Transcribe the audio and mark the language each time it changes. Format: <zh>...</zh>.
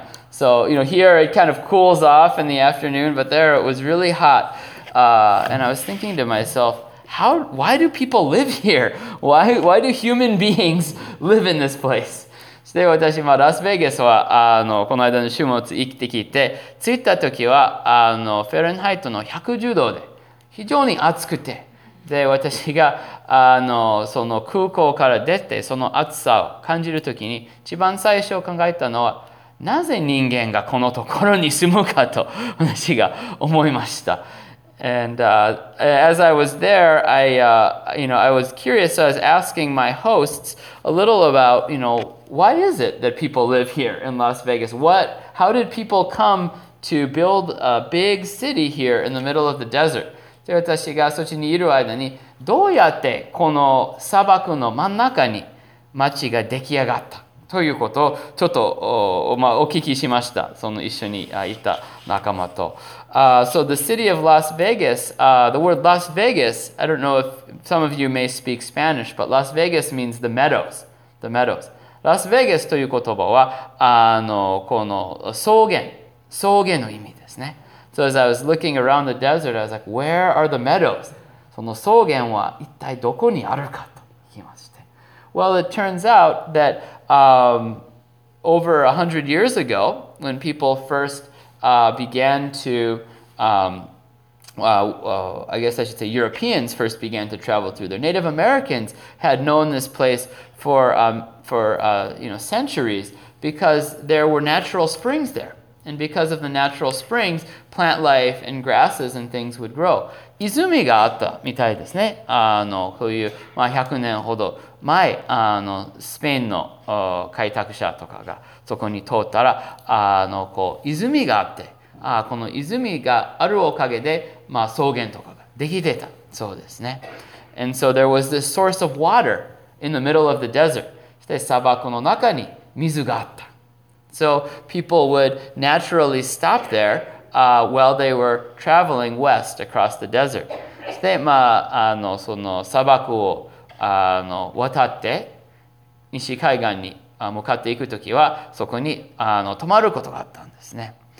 <en>So, you know, here it kind of cools off in the afternoon, but there it was really hot. And I was thinking to myself, why do people live here? Why do human beings live in this place?</en> <ja>で、私、まあ、ラスベガスは、この間の週末行ってきて、着いた時は、フェレンハイトの110度で、非常に暑くて、で、私が、その空港から出て、その暑さを感じるときに、一番最初考えたのは、なぜ人間がこのところに住むかと、私が思いました。</ja> <en>And as I was there, I was curious. So I was asking my hosts a little about, you know, why is it that people live here in Las Vegas? How did people come to build a big city here in the middle of the desert?</en> <ja>で、私がそちにいる間に、どうやってこの砂漠の真ん中に町が出来上がったということをちょっと、まあ、お聞きしました。その一緒にいた仲間と。</ja> <en>So the city of Las Vegas, the word Las Vegas, I don't know if some of you may speak Spanish, but Las Vegas means the meadows, the meadows.</en> <ja>Las Vegas という言葉は、この草原の意味ですね。</ja> <en>So as I was looking around the desert, I was like, where are the meadows?</en> <ja>その草原は一体どこにあるかと聞きまして。</ja> <en>Well, it turns out that over 100 years ago, when people first began to, I guess I should say Europeans first began to travel through there. Native Americans had known this place for centuries because there were natural springs there. And because of the natural springs, plant life and grasses and things would grow.</en> <ja>泉があったみたいですね。こういう、まあ、100年ほど前、スペインの開拓者とかがそこに通ったら、こう泉があって、この泉があるおかげで、まあ、草原とかができてた。そうですね。</ja> <en>And so there was this source of water in the middle of the desert.</en> <ja>そして砂漠の中に水があった。</ja> <en>So people would naturally stop there while they were traveling west across the desert.</en> <ja>そして、まあ、その砂漠を渡って西海岸に向かっていくときはそこに泊まることがあったんですね。</ja>